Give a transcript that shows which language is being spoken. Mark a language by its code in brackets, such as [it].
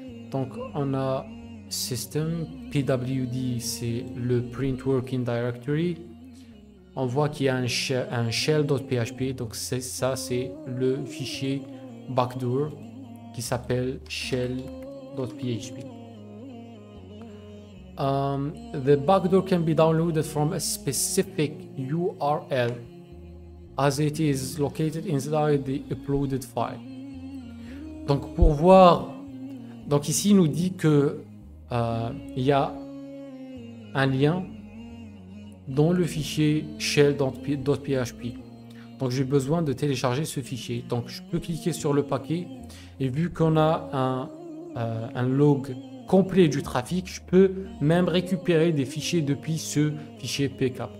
[fr] Donc on a system, pwd c'est le print working directory. On voit qu'il y a un shell.php, donc c'est ça, c'est le fichier backdoor qui s'appelle shell.php. [en] The backdoor can be downloaded from a specific URL as it is located inside the uploaded file. [fr] Donc pour voir, donc ici il nous dit que il y a un lien dans le fichier shell.php. Donc j'ai besoin de télécharger ce fichier. Donc je peux cliquer sur le paquet et vu qu'on a un log complet du trafic, je peux même récupérer des fichiers depuis ce fichier pcap.